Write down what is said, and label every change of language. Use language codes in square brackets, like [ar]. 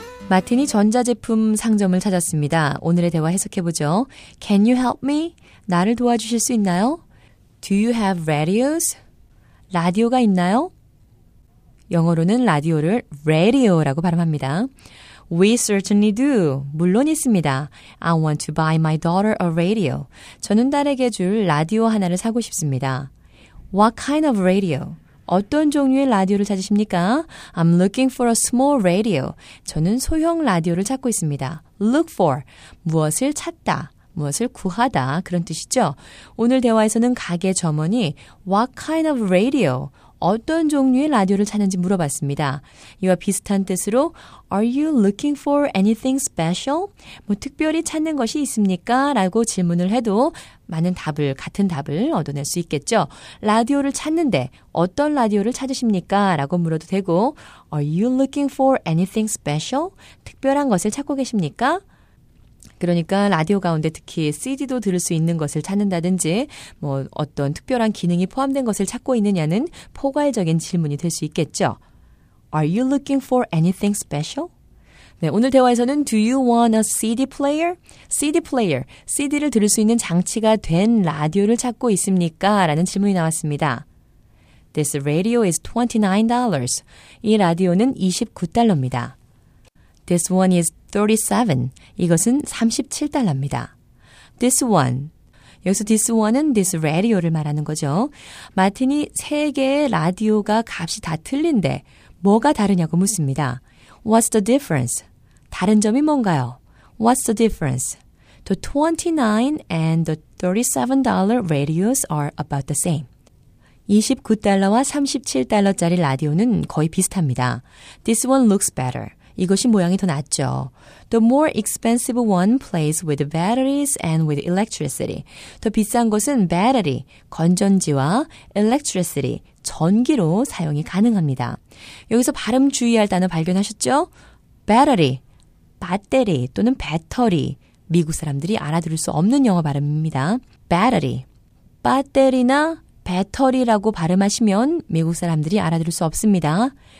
[ko] 마틴이 전자제품 상점을 찾았습니다. 오늘의 대화 해석해보죠. [en] Can you help me? [ko] 나를 도와주실 수 있나요? [en] Do you have radios? [ko] 라디오가 있나요? 영어로는 라디오를 radio라고 발음합니다. [en] We certainly do. [ko] 물론 있습니다. [en] I want to buy my daughter a radio. [ko] 저는 딸에게 줄 라디오 하나를 사고 싶습니다. [en] What kind of radio? [ko] 어떤 종류의 라디오를 찾으십니까? [en] I'm looking for a small radio. [ko] 저는 소형 라디오를 찾고 있습니다. Look for. 무엇을 찾다. 무엇을 구하다. 그런 뜻이죠. 오늘 대화에서는 가게 점원이 [en] What kind of radio? [ko] 어떤 종류의 라디오를 찾는지 물어봤습니다. 이와 비슷한 뜻으로 [en] Are you looking for anything special? [ko] 뭐 특별히 찾는 것이 있습니까? 라고 질문을 해도 많은 답을, 같은 답을 얻어낼 수 있겠죠. 라디오를 찾는데 어떤 라디오를 찾으십니까? 라고 물어도 되고 [en] Are you looking for anything special? [ko] 특별한 것을 찾고 계십니까? 그러니까 라디오 가운데 특히 CD도 들을 수 있는 것을 찾는다든지 뭐 어떤 특별한 기능이 포함된 것을 찾고 있느냐는 포괄적인 질문이 될 수 있겠죠. [en] Are you looking for anything special? [ko] 네, 오늘 대화에서는 [en] Do you want a CD player? [ko] CD player, CD를 들을 수 있는 장치가 된 라디오를 찾고 있습니까? 라는 질문이 나왔습니다. [en] This radio is $29. [ko] 이 라디오는 $29입니다. [en] This one is $37. [ko] 이것은 $37입니다. [en] This one. [ko] 여기서 this one은 this radio를 말하는 거죠. 마틴이 세 개의 라디오가 값이 다 틀린데 뭐가 다르냐고 묻습니다. [en] What's the difference? [ko] 다른 점이 뭔가요? [en] What's the difference? The $29 and the $37 radios are about the same. [ko] 29달러와 37달러짜리 라디오는 거의 비슷합니다. [en] This one looks better. [ko] 이것이 모양이 더 낫죠. [en] The more expensive one plays with batteries and with electricity. [ko] 더 비싼 것은 battery, 건전지와 electricity, 전기로 사용이 가능합니다. 여기서 발음 주의할 단어 발견하셨죠? battery, 배터리 또는 배터리. 미국 사람들이 알아들을 수 없는 영어 발음입니다. battery, 배터리나 배터리라고 발음하시면 미국 사람들이 알아들을 수 없습니다.